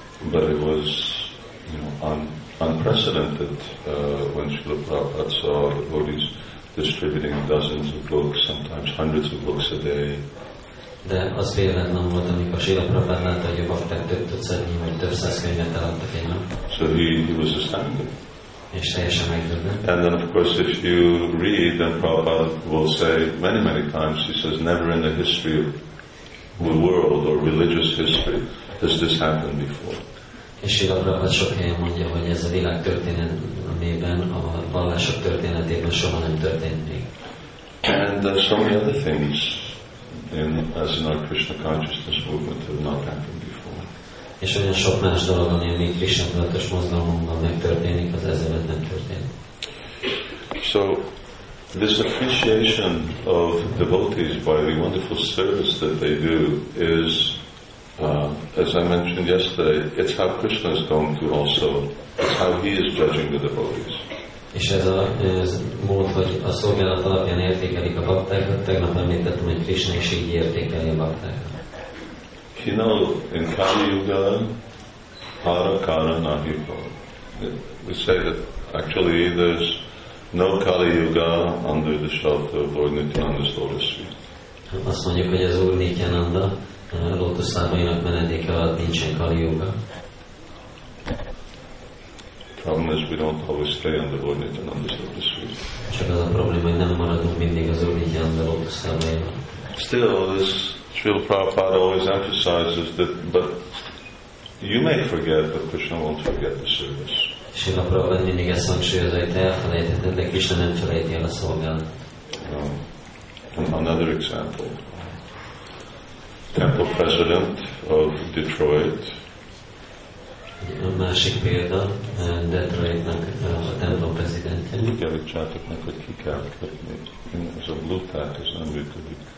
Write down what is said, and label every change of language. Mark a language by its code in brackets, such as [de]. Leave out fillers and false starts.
[en] But it was, you know, unprecedented when Srila Prabhupada saw the devotees distributing dozens of books, sometimes hundreds of books a day. [hu] De az véletlen volt, amikor Srila Prabhupada látta, hogy a bakták több tucatnyi vagy több száz könyvet eladtak egy nap. [en] So he was astounded. [hu] És teljesen megdöbbent. [en] And then of course if you read, then Prabhupada will say many, many times, he says, never in the history of the world or religious history has this happened before. [hu] És Srila Prabhupada sok helyen mondja, hogy ez a világ történetében, a vallások történetében soha nem történt még. [en] And so many other things in our Krishna consciousness movement have not happened before. [hu] És olyan sok más dolog, ami a Krishna tudatos mozgalomban megtörténik, az ezelőtt nem történt. [en] So this appreciation of devotees by the wonderful service that they do is, as I mentioned yesterday, it's how Krishna is going to also, it's how he is judging the devotees. [hu] És ez a mód, hogy a szolgálat alapján értékelik a baktákat, tegnap említettem, hogy Krishna is így értékeli a baktákat. [en] You know, in Kali Yuga, Hara Kara Nahipo. We say that actually there's no Kali Yuga under the shelter of Lord Nityananda's lotus feet. [hu] Azt mondjuk, hogy az Úr Nityananda lotus lábainak menedéke alatt nincsen Kali Yuga. [en] Problem is we don't always stay on the Lord Nityananda's lotus feet. [hu] Csak az a probléma, hogy nem maradunk mindig az Úr Nityananda lotus lábainak. [en] Still, this Srila Prabhupada always emphasizes that, but you may forget, but Krishna won't forget the service. [hu] Srila Prabhupada mindig ezt hangsúlyozza, hogy te elfelejtheted, de Krishna nem felejti el a szolgálat. [en] Another example. Temple president of Detroit. [hu] A másik példa, Detroitnak a templom prezidentje. Úgy javítsátok meg, hogy ki kell kötni. Ez a blue tag, ez nem működik.